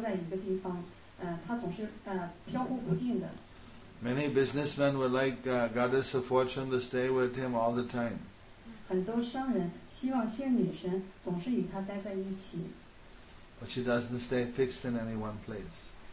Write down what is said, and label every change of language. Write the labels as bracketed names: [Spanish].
[Chinese] 在梵文里面的意思呢是她从来不会停留在一个地方，她总是飘忽不定的。 [English] Many businessmen would like Goddess of Fortune to stay with him all the time. [Chinese] 很多商人希望仙女神总是与他待在一起。 [English] But she doesn't stay fixed in any one place.